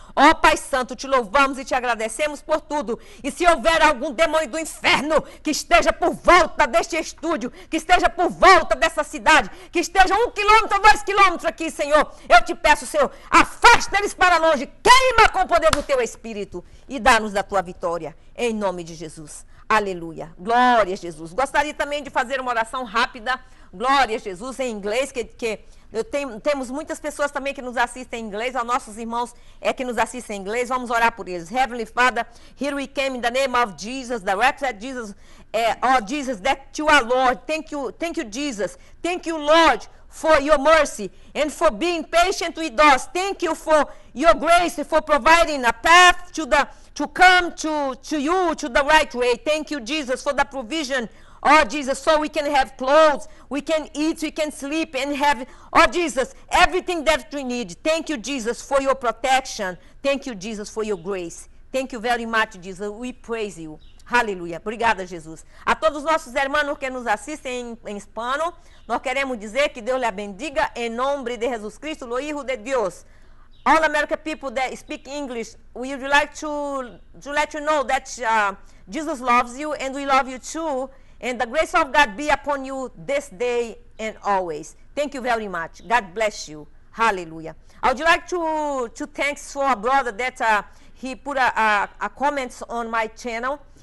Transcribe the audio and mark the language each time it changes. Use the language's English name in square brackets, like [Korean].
[Portuguese] Ó Pai Santo, te louvamos e te agradecemos por tudo. E se houver algum demônio do inferno que esteja por volta deste estúdio, que esteja por volta dessa cidade, que esteja 1 quilômetro ou 2 quilômetros aqui, Senhor, eu te peço, Senhor, afasta eles para longe, queima com o poder do teu Espírito e dá-nos da tua vitória, em nome de Jesus. Aleluia. Glória a Jesus. Gostaria também de fazer uma oração rápida. Glória a Jesus, em inglês, temos muitas pessoas também que nos assistem em inglês, aos nossos irmãos que nos assistem em inglês. Vamos orar por eles. [English] Heavenly Father, here we came in the name of Jesus, the represent Jesus. Jesus, that you are Lord. Thank you, Jesus. Thank you, Lord, for your mercy and for being patient with us. Thank you for your grace, for providing a path to come to you to the right way. Thank you, Jesus, for the provision. Oh, Jesus, so we can have clothes, we can eat, we can sleep and have, oh, Jesus, everything that we need. Thank you, Jesus, for your protection. Thank you, Jesus, for your grace. Thank you very much, Jesus. We praise you. Aleluia. [Portuguese] Obrigada, Jesus. A todos os nossos irmãos que nos assistem em hispano, nós queremos dizer que Deus lhe bendiga em nome de Jesus Cristo, o Hijo de Deus. [English] All American people that speak English, we would like to let you know that Jesus loves you and we love you too. And the grace of God be upon you this day and always. Thank you very much. God bless you. Hallelujah. I would like to thank for a brother that he put a comments on my channel.